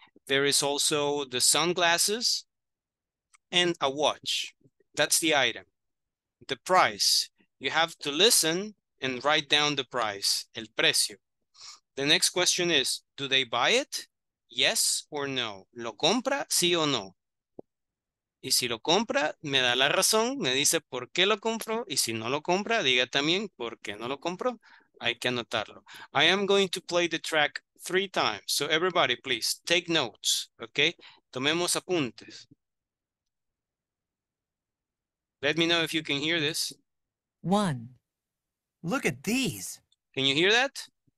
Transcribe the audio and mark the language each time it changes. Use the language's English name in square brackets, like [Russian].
[English] There is also the sunglasses and a watch. That's the item. The price. You have to listen and write down the price, [Spanish] el precio. [English] The next question is, do they buy it? Yes or no? [Spanish] ¿Lo compra? Sí o no. Y si lo compra, me da la razón, me dice por qué lo compró. Y si no lo compra, diga también por qué no lo compró. Hay que anotarlo. [English] I am going to play the track 3 times. So everybody, please, take notes, okay? [Spanish] Tomemos apuntes. [English] Let me know if you can hear this. One. Look at these. Can you hear that?